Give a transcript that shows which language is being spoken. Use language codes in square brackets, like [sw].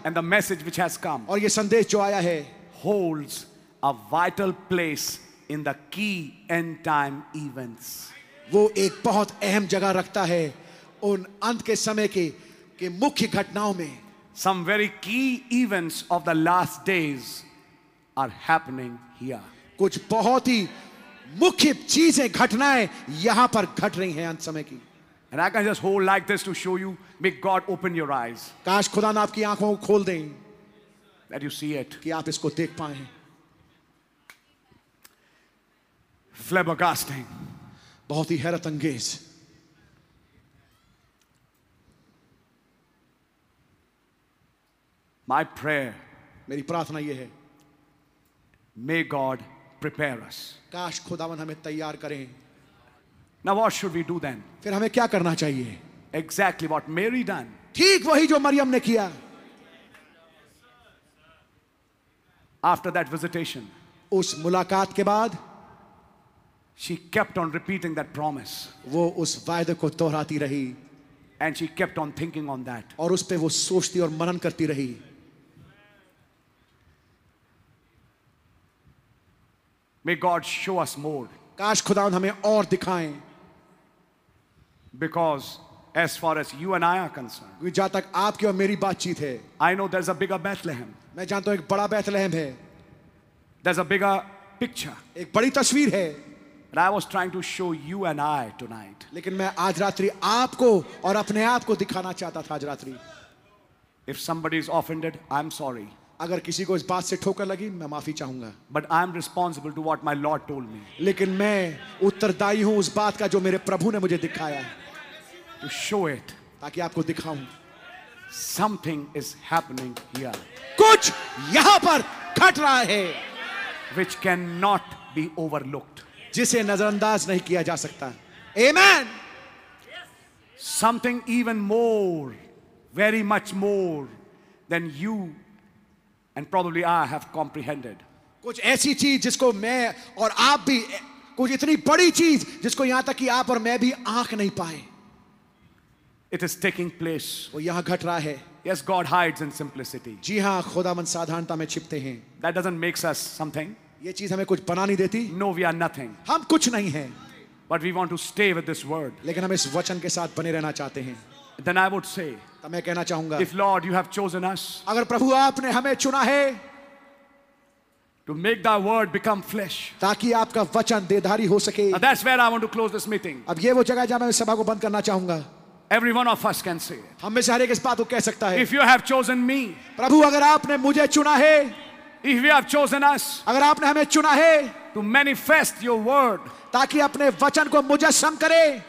[en] And the message which has come. [hi] और ये संदेश जो आया है. [en] Holds a vital place. In the key end time events, [hi] वो एक बहुत अहम जगह रखता है उन अंत के समय के मुख्य घटनाओं में. [en] Some very key events of the last days are happening here. [hi] कुछ बहुत ही मुख्य चीजें घटनाएं यहाँ पर घट रही हैं अंत समय की. [en] And I can just hold like this to show you. May God open your eyes. [hi] काश खुदा ने आपकी आँखों को खोल दें. [en] That you see it. [hi] कि आप इसको देख पाएं. [en] Flabbergasting. [hi] बहुत ही हैरत अंगेज. [en] My prayer. [hi] मेरी प्रार्थना यह है. [en] May God prepare us. [hi] काश खुदावन हमें तैयार करें. [en] Now what should we do then? [hi] फिर हमें क्या करना चाहिए? [en] Exactly what Mary done. [hi] ठीक वही जो मरियम ने किया. [en] After that visitation. [hi] उस मुलाकात के बाद. [en] She kept on repeating that promise. [hi] वो उस वायदे को दोहराती रही. [en] And she kept on thinking on that. [hi] और उस पे वो सोचती और मनन करती रही. [en] May God show us more. [hi] काश खुदा हमें और दिखाएं. [en] Because as far as you and I are concerned. [hi] क्योंकि जहाँ तक आपकी और मेरी बातचीत है. [en] I know there's a bigger Bethlehem. [hi] मैं जानता हूँ एक बड़ा बेथलहम है. [en] There's a bigger picture. [hi] एक बड़ी तस्वीर है. [en] But I was trying to show you and I tonight. [hi] लेकिन मैं आज रात्रि आपको और अपने आप को दिखाना चाहता था आज रात्रि. [en] If somebody is offended, I'm sorry. [hi] अगर किसी को इस बात से ठोकर लगी, मैं माफी चाहूँगा. [en] But I'm responsible to what my Lord told me. [hi] लेकिन मैं उत्तरदायी हूँ उस बात का जो मेरे प्रभु ने मुझे दिखाया. [en] To show it. [hi] ताकि आपको दिखाऊँ. [en] Something is happening here. [hi] कुछ यहाँ पर घट रहा है. [en] Which cannot happen. be overlooked. [hi] जिसे नजरअंदाज नहीं किया जा सकता. [en] Amen. Something even more, very much more than you and probably I have comprehended. [hi] कुछ ऐसी चीज जिसको मैं और आप भी, कुछ इतनी बड़ी चीज जिसको यहां तक कि आप और मैं भी आंख नहीं पाए. [en] It is taking place. [hi] वो यहां घट रहा है. [en] Yes, God hides in simplicity. [hi] जी हाँ, खुदावंद साधारणता में छिपते हैं. [en] That doesn't make us something. [hi] ये चीज हमें कुछ बना नहीं देती. [en] No, we are nothing. [hi] हम कुछ नहीं हैं. [en] But we want to stay with this word. [hi] लेकिन हम इस वचन के साथ बने रहना चाहते हैं. [en] Then I would say. [hi] तो मैं कहना चाहूँगा. [en] If Lord, you have chosen us. [hi] अगर प्रभु आपने हमें चुना है. [en] To make that word become flesh. [hi] ताकि आपका वचन देहधारी हो सके. [en] Now that's where I want to close this meeting. [hi] अब ये वो जगह है जहाँ मैं सभा को बंद करना चाहूँगा. [en] Every one of us can say. [hi] हम में से हर एक इस बात को कह सकता है. [en] If you have chosen me. [hi] प्रभु अगर आपने मुझे चुना है. [en] If you have chosen us, [hi] अगर आपने हमें चुना है, [en] to manifest your word, [hi] ताकि अपने वचन को मुजस्सम करे,